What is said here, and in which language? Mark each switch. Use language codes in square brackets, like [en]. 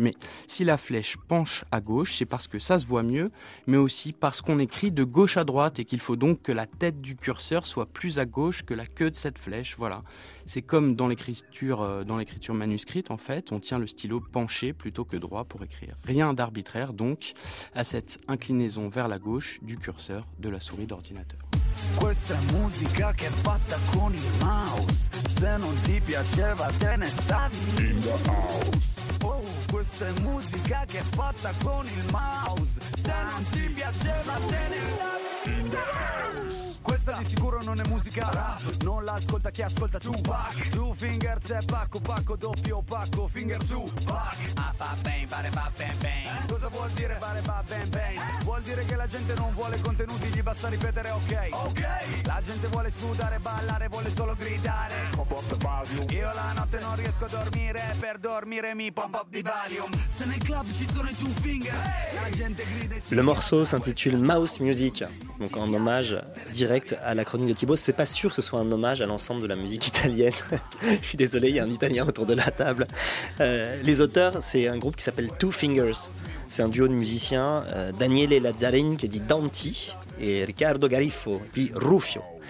[fr] Mais si la flèche penche à gauche, c'est parce que ça se voit mieux, mais aussi parce qu'on écrit de gauche à droite et qu'il faut donc que la tête du curseur soit plus à gauche que la queue de cette flèche. Voilà. C'est comme dans l'écriture manuscrite, en fait, on tient le stylo penché plutôt que droit pour écrire. Rien d'arbitraire, donc, à cette inclinaison vers la gauche du curseur de la souris d'ordinateur. [it] Questa musica che è fatta con il mouse, se non ti piaceva te ne stavi [en] in the house. [it] Oh, questa è musica che è fatta con il mouse, se non ti piaceva te ne stavi [en] in the house. [it] Questa di sicuro non è musica, non l'ascolta chi ascolta Tupac. Two fingers e pacco, pacco, doppio pacco, finger Tupac. Ah, va bene, pare va bene, bene. Cosa vuol dire pare va bene, bene? Vuol dire che la gente non vuole contenuti, gli basta ripetere ok. La gente vuole sudare, ballare, vuole solo gridare. Io la notte non riesco a dormire, per dormire mi [en] pump up [it] di Valium. Se nel club ci sono i two finger, la gente grida. [fr] Le morceau s'intitule Mouse Music. Donc en hommage direct à la chronique de Thibaut, c'est pas sûr que ce soit un hommage à l'ensemble de la musique italienne. Je suis désolé, il y a un Italien autour de la table. Les auteurs, c'est un groupe qui s'appelle Two Fingers. C'est un duo de musiciens, Daniele Lazzarini qui dit Danti et Riccardo Garifo dit Rufio.